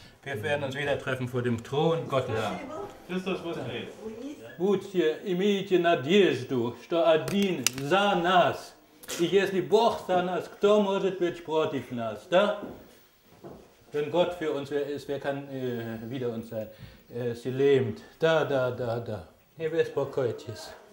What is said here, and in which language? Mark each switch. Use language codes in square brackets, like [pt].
[de] Wir werden uns wieder treffen vor dem Thron Gottes. Das ist das, was geht. [ru] Будьте, имейте надежду, что один за нас, и если Бог за нас, кто может быть против нас, да? [de] Wenn Gott für uns ist, wer kann wieder uns sein? Sie lebt. Da, da, da, da. Hier wird es [ru] покойтесь.